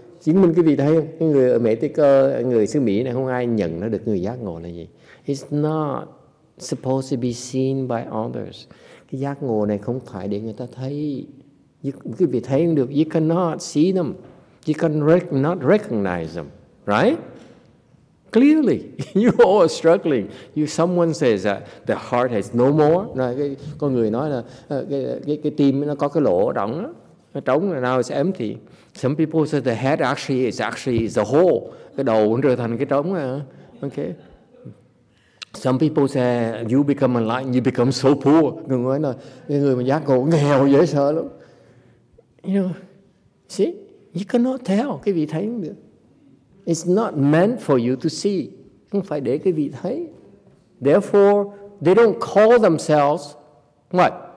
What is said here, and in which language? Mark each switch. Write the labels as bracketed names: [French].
[Vietnamese] Chứng minh cái gì thấy không? Người ở Mỹ, người xứ Mỹ này không ai nhận nó được người giác ngộ là gì. [English] It's not supposed to be seen by others. [Vietnamese] Cái giác ngộ này không phải để người ta thấy. Cái vị thấy không được. [English] You cannot see them. You cannot recognize them. Right? Clearly. You all are struggling. You, someone says that the heart has no more. [Vietnamese] Rồi, cái, con người nói là cái tim nó có cái lỗ rỗng á. Nó trống, [English] now it's empty. Some people say the head actually is a hole. [Vietnamese] Cái đầu nó trở thành cái trống. [English] Okay. Some people say you become enlightened, you become so poor. [Vietnamese] Người nói là người mà giác ngộ nghèo dễ sợ lắm. [English] You know, see, you cannot tell. [Vietnamese] Cái vị thấy không được. [English] It's not meant for you to see. [Vietnamese] Không phải để cái vị thấy. [English] Therefore, they don't call themselves what?